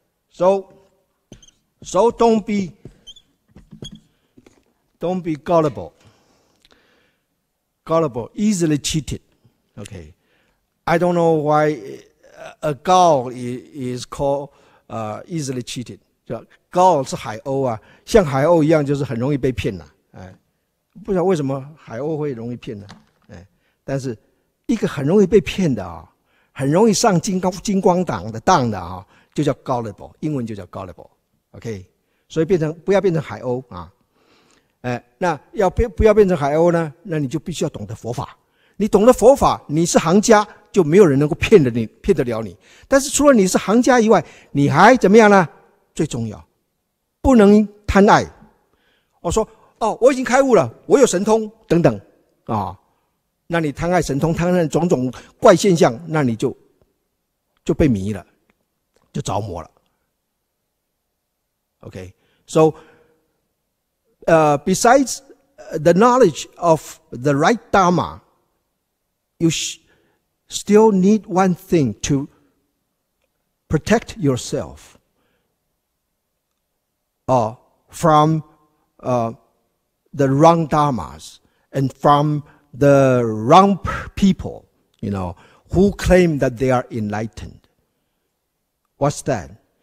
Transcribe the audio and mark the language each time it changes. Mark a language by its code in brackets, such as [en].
[en] So don't be gullible, easily cheated. Okay, I don't know why a gull is called easily cheated. [zh] Gull 是海鸥啊，像海鸥一样就是很容易被骗呐。哎，不知道为什么海鸥会容易骗呢？但是一个很容易被骗的啊，很容易上金光党的当的啊，就叫 gullible， 英文就叫 gullible， OK， 所以变成不要变成海鸥啊，哎，那要不要变成海鸥呢？那你就必须要懂得佛法，你懂得佛法，你是行家，就没有人能够骗得了你。但是除了你是行家以外，你还怎么样呢？最重要，不能贪爱。我说哦，我已经开悟了，我有神通等等啊。那你贪爱神通，贪爱种种怪现象，那你就被迷了，就着魔了。 [en] Okay, so besides the knowledge of the right Dharma, you still need one thing to protect yourself from the wrong Dharmas and from the wrong people, you know, who claim that they are enlightened. What's that?